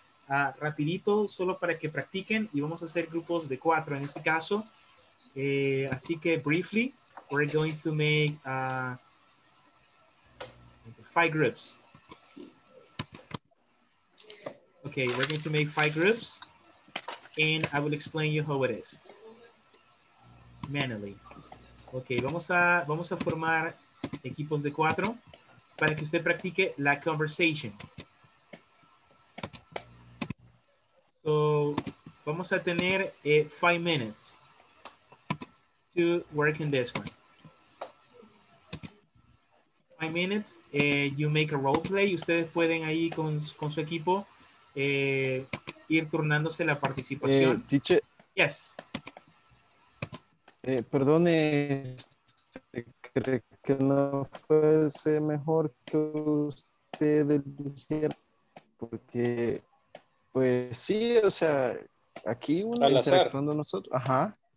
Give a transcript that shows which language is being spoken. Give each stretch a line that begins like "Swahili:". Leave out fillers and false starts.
Spanish: Rapidito, solo para que practiquen, y vamos a hacer grupos de cuatro en este caso. Así que
English: briefly, we're going to make 5 groups. Okay, we're going to make 5 groups, and I will explain you how it is manually.
Spanish: Okay, vamos a formar equipos de cuatro para que usted practique la conversation.
English: So,
Spanish: vamos a tener
English: 5 minutes to work in this one. 5 minutes, you make a role play.
Spanish: Ustedes pueden ahí con su equipo ir turnándose la participación.
English: Teacher. Yes.
Spanish: Perdone, creo que no fuese mejor que usted dijera, porque, pues sí, o sea, aquí uno interactuando nosotros, ajá.